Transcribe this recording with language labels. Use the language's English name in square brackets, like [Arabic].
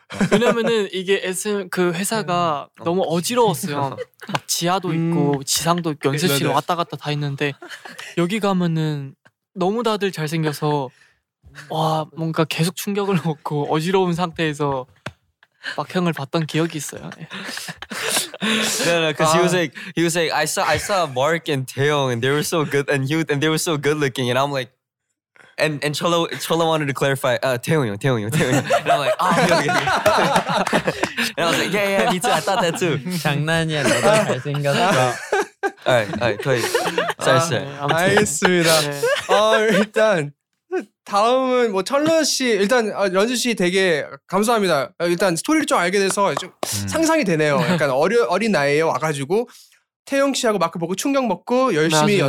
[Korean] 왜냐면은 이게 SM 그 회사가 너무 어지러웠어요. 막 지하도 있고 지상도 있고 연습실 왔다 갔다 다 있는데 여기 가면은 너무 다들 잘생겨서 와 뭔가 계속 충격을 먹고 어지러운 상태에서 막 형을 봤던 기억이 있어요. [English] No, no, because he was like, I saw Mark and Taeyong and they were so good and they were so good looking and I'm like, And Cholo wanted to clarify, Taehyung. And I'm like, oh, and I was like, yeah, me too. I thought that too. [Korean] 장난이야, 너도 잘생겼어. Alright, 거의 잘했어요. 알겠습니다. 일단 다음은 뭐 철러 씨, 일단 런쥔 씨 되게 감사합니다. 일단 스토리를 좀 알게 돼서 좀 상상이 되네요. 약간 어린 나이에 와가지고 태용 씨하고 마크 보고 충격 먹고 열심히 맞아요.